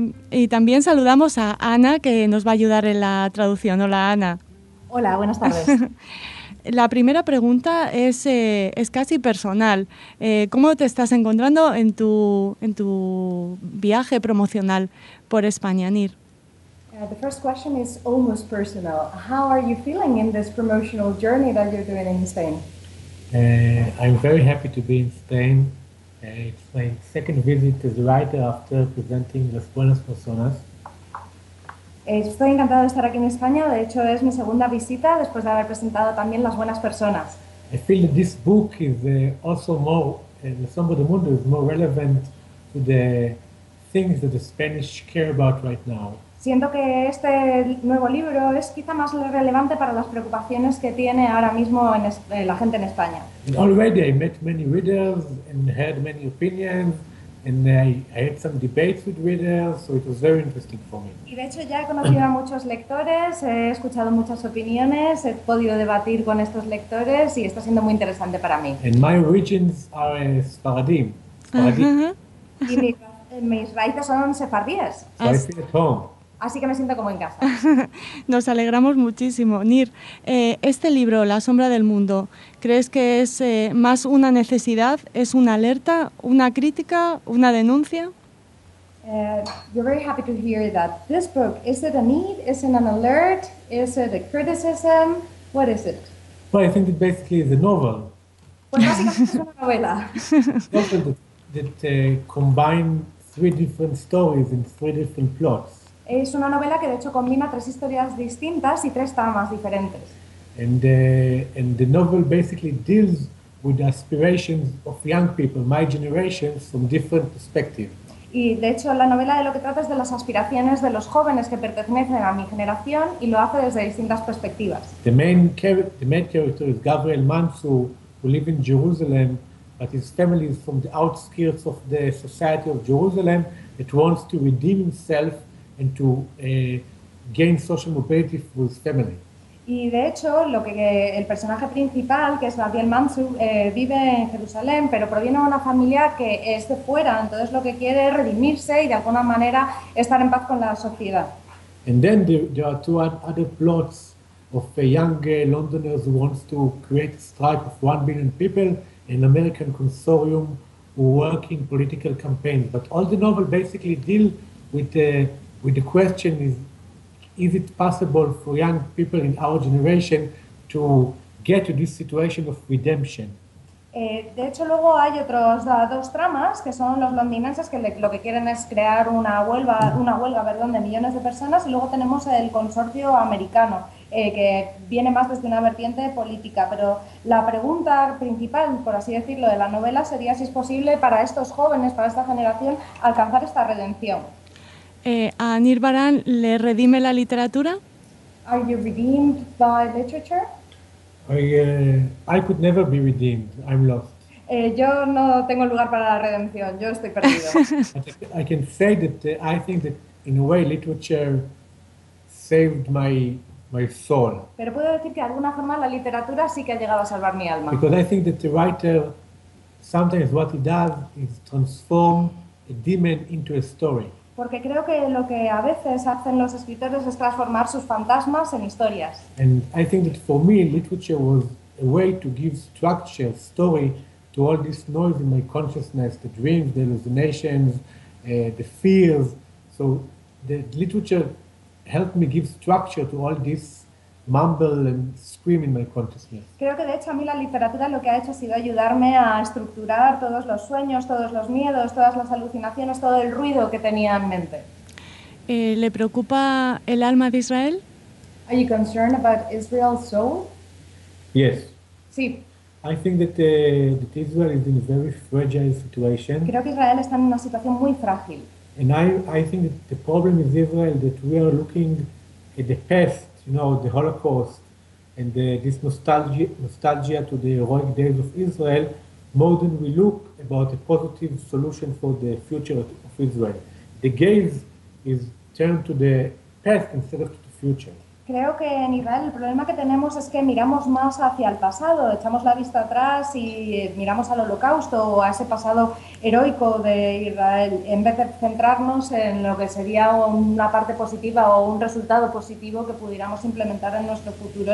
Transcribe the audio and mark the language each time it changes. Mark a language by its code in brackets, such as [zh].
[es] Y también saludamos a Ana, que nos va a ayudar en la traducción. Hola, Ana. Hola, buenas tardes. La primera pregunta es casi personal. ¿Cómo te estás encontrando en tu viaje promocional por España, Nir? [en] The first question is almost personal. How are you feeling in this promotional journey that you're doing in Spain? I'm very happy to be in Spain. It's my second visit as a writer after presenting Las Buenas Personas. [es] Estoy encantado de estar aquí en España. De hecho, es mi segunda visita después de haber presentado también Las Buenas Personas. [en] I feel that this book is also more, the Song of the Mundo is more relevant to the things that the Spanish care about right now. [es] Siento que este nuevo libro es quizá más relevante para las preocupaciones que tiene ahora mismo la gente en España. [en] Already I met many readers and had many opinions. And I had some debates with readers, so it was very interesting for me. [es] Y de hecho ya he conocido a muchos lectores, he escuchado muchas opiniones, he podido debatir con estos lectores y está siendo muy interesante para mí. [en] And my origins are Sephardim. [es] Y mis raíces son sefardíes. [en] So I feel at home. [es] Así que me siento como en casa. Nos alegramos muchísimo. Nir, este libro, La sombra del mundo, ¿crees que es más una necesidad, es una alerta, una crítica, una denuncia? [en] You're very happy to hear that. This book, is it a need, is it an alert, is it a criticism, what is it? Well, I think it basically is a novel. [es] Pues básicamente es una novela. [en] that combine three different stories and three different plots. [es] Es una novela que de hecho combina tres historias distintas y tres tramas diferentes. [en] And the novel basically deals with the aspirations of young people, my generation, from different perspectives. [es] Y de hecho la novela de lo que trata es de las aspiraciones de los jóvenes que pertenecen a mi generación y lo hace desde distintas perspectivas. [en] The main character is Gabriel Mansur, who lives in Jerusalem, but his family is from the outskirts of the society of Jerusalem that wants to redeem himself and to gain social mobility for his family. [es] Y de hecho, lo que el personaje principal, que es Gabriel Mansur, vive en Jerusalén, pero proviene de una familia que es de fuera, entonces lo que quiere es redimirse y de alguna manera estar en paz con la sociedad. [en] And then there are two other plots of a young Londoner who wants to create a strike of 1 billion people and an American consortium who work in political campaigns. But all the novel basically deal with the question is it possible for young people in our generation to get to this situation of redemption? [es] De hecho, luego hay otros dos tramas, que son los londinenses, que lo que quieren es crear una huelga, de millones de personas, y luego tenemos el consorcio americano, que viene más desde una vertiente política. Pero la pregunta principal, por así decirlo, de la novela sería si es posible para estos jóvenes, para esta generación, alcanzar esta redención. ¿A Nir Barán le redime la literatura? [en] Are you redeemed by literature? I could never be redeemed. I'm lost. [es] Yo no tengo lugar para la redención. Yo estoy perdido. [en] I can say that I think that in a way literature saved my soul. [es] Pero puedo decir que de alguna forma la literatura sí que ha llegado a salvar mi alma. [en] Because I think that the writer sometimes what he does is transform a demon into a story. [es] Porque creo que lo que a veces hacen los escritores es transformar sus fantasmas en historias. [en] And I think that for me, literature was a way to give structure, story, to all this noise in my consciousness, the dreams, the hallucinations, the fears. So the literature helped me give structure to all this mumble and scream in my consciousness. [es] Creo que de hecho a mí la literatura lo que ha hecho ha sido ayudarme a estructurar todos los sueños, todos los miedos, todas las alucinaciones, todo el ruido que tenía en mente. ¿Le preocupa el alma de Israel? [en] Are you concerned about Israel's soul? Yes. [es] Sí. [en] I think that that Israel is in a very fragile situation. [es] Creo que Israel está en una situación muy frágil. [en] And I think that the problem is Israel that we are looking at the past. You know, the Holocaust and this nostalgia to the heroic days of Israel, more than we look about a positive solution for the future of Israel. The gaze is turned to the past instead of to the future. [es] Creo que en Israel el problema que tenemos es que miramos más hacia el pasado, echamos la vista atrás y miramos al holocausto o a ese pasado heroico de Israel en vez de centrarnos en lo que sería una parte positiva o un resultado positivo que pudiéramos implementar en nuestro futuro.